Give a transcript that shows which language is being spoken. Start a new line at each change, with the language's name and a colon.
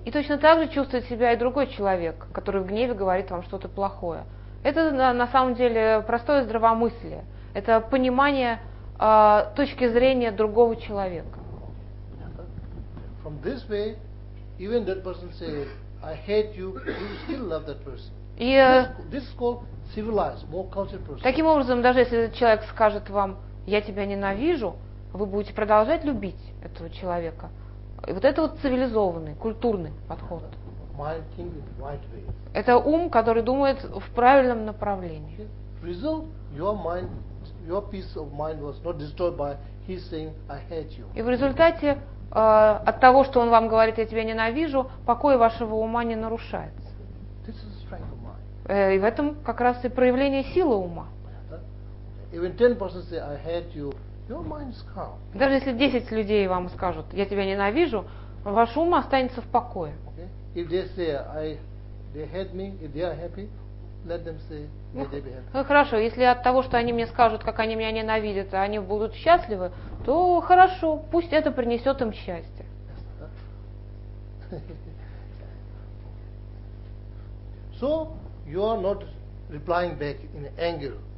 Russian: И точно так же чувствует себя и другой человек, который в гневе говорит вам что-то плохое. Это на самом деле простое здравомыслие. Это понимание точки зрения другого человека.
English: From this way, even that person says, I hate you, you still love that person.
Russian: И,
English: this is called civilized, more cultured person.
Russian: Таким образом, даже если этот человек скажет вам, я тебя ненавижу, вы будете продолжать любить этого человека. И вот это вот цивилизованный, культурный подход.
English: Right.
Russian: Это ум, который думает в правильном направлении.
English: Result, your peace of mind was not destroyed by his saying, I hate you.
Russian: И в результате от того, что он вам говорит, я тебя ненавижу, покой вашего ума не нарушается.
English: This is strength of mind.
Russian: И в этом как раз и проявление силы ума.
English: Even 10% say, I hate you. Your mind is calm.
Russian: Даже если 10 людей вам скажут, я тебя ненавижу, ваш ум останется в покое.
English: Okay. If they say they hate me, if they are happy, let them say may they be happy.
Russian: Хорошо, если от того, что они мне скажут, как они меня ненавидят, они будут счастливы, то хорошо, пусть это принесет им счастье.
English: So you are not replying back in anger.